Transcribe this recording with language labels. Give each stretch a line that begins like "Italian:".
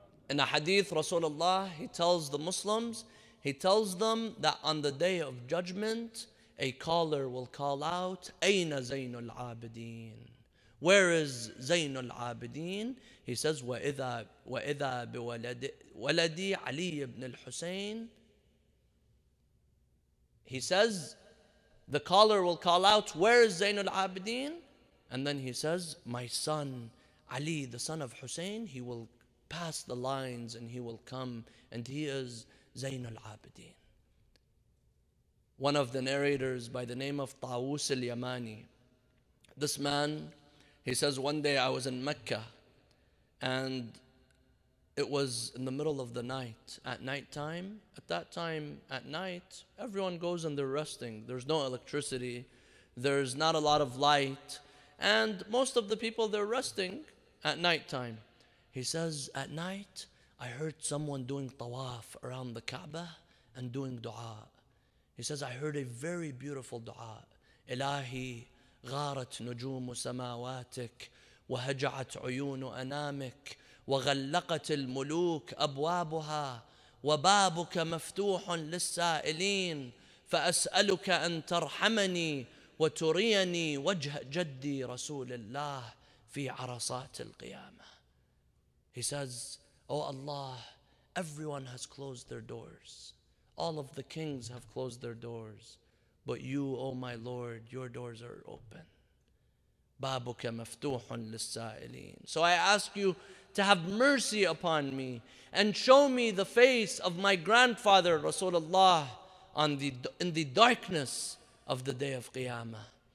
English: In a hadith, Rasulullah, he tells the Muslims, he tells them that on the day of judgment, a caller will call out, Aina Zainul Abideen? Where is Zainul Abideen? He says,
Arabic: وَإِذَا بِوَلَدِي عَلِي بْنِ الْحُسَيْنِ.
English: He says, the caller will call out, where is Zainul Abideen? And then he says, my son, Ali, the son of Hussein, he will pass the lines and he will come, and he is Zainul Abideen. One of the narrators by the name of Tawus al-Yamani, this man, he says, one day I was in Mecca, and it was in the middle of the night, at night time. At that time, at night, everyone goes and they're resting. There's no electricity. There's not a lot of light. And most of the people, they're resting at night time. He says, at night, I heard someone doing tawaf around the Kaaba and doing dua. He says, I heard a very beautiful dua.
Arabic: Ilahi, غارت نجوم سماواتك وهجعت عيون أنامك وغلقت الملوك أبوابها وبابك مفتوح للسائلين فأسألك أن ترحمني وتريني وجه جدي رسول الله في عرصات القيامة.
English: He says, oh Allah, everyone has closed their doors. All of the kings have closed their doors. But you, O my Lord, your doors are open.
Arabic: بابك مفتوح للسائلين.
English: So I ask you to have mercy upon me and show me the face of my grandfather, Rasulullah, in the darkness of the day of Qiyamah.